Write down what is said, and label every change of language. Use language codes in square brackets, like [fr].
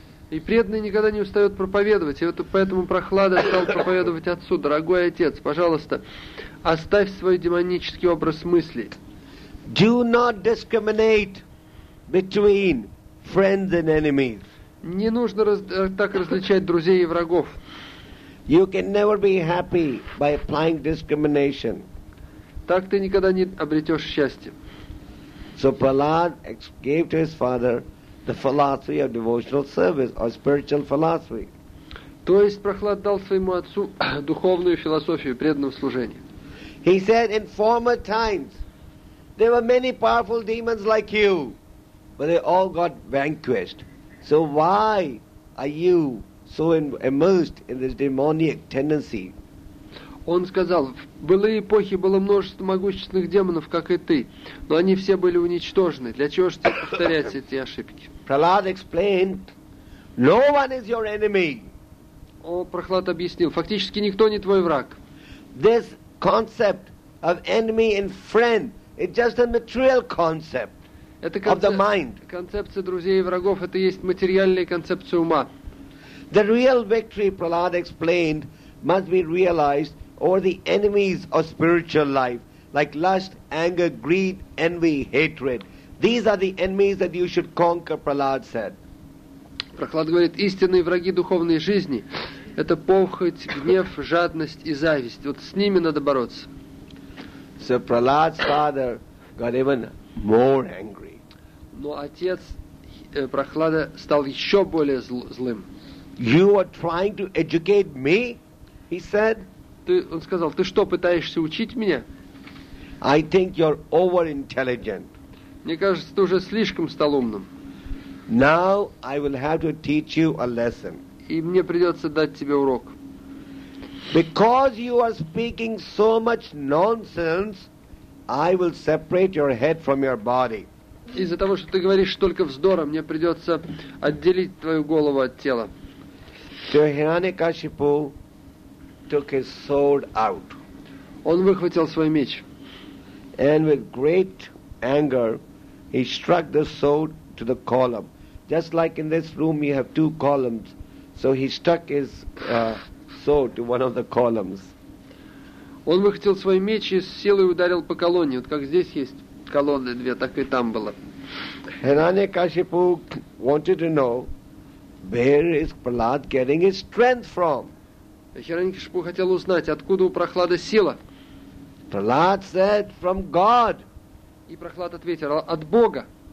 [ru] И преданный никогда не устает проповедовать. И вот поэтому Прохлада стал проповедовать отцу. Дорогой отец, пожалуйста, оставь свой демонический образ мысли. [en] Do not discriminate between friends and enemies. [ru] Не нужно так различать друзей и врагов. [en] You can never be happy by applying discrimination. [ru] Так ты никогда не обретешь счастье. [en] So Prahlad gave to his father the philosophy of devotional service or spiritual philosophy. [ru] То есть Прохлад дал своему отцу духовную философию преданного служения. [en] He said, in former times, there were many powerful demons like you, but they all got vanquished. So why are you so immersed in this demonic tendency? [ru] Он сказал, в былые эпохи было множество могущественных демонов, как и ты, но они все были уничтожены. Для чего же тебе повторять эти ошибки? [en] Prahlad explained, no one is your enemy. [ru] О, Прохлад объяснил, фактически никто не твой враг. [en] This concept of enemy and friend, it's just a material concept of the mind. [ru] Концепция друзей и врагов, это есть материальная концепция ума. [en] The real victory, Prahlad explained, must be realized over the enemies of spiritual life, like lust, anger, greed, envy, hatred. These are the enemies that you should conquer, Prahlad said. [ru] Прохлад говорит, истинные враги духовной жизни — это похоть, гнев, жадность и зависть. Вот с ними надо бороться. [en] So Prahlad's father got even more angry. [ru] Но отец Прохлада стал еще более злым. [en] You are trying to educate me, he said. [ru] Он сказал, ты что, пытаешься учить меня? [en] I think you're over-intelligent. [ru] Мне кажется, ты уже слишком стал умным. [en] Now I will have to teach you a lesson. [ru] И мне придется дать тебе урок. [en] Because you are speaking so much nonsense, I will separate your head from your body. [ru] Из-за того, что ты говоришь только вздора, мне придется отделить твою голову от тела. [en] So Hiranyakashipu took his sword out. [ru] Он выхватил свой меч. [en] And with great anger, he struck the sword to the column. Just like in this room, you have two columns. So he struck his sword to one of the columns. [ru] Он выхватил свой меч и с силой ударил по колонне. Вот как здесь есть колонны две, так и там было. [en] Hiranyakashipu wanted to know, where is Prahlad getting his strength from? [ru] Hiranyakashipu хотел узнать, откуда у Прохлада сила. [en] Prahlad said, from God. [ru] И Прохлад ответил, от Бога.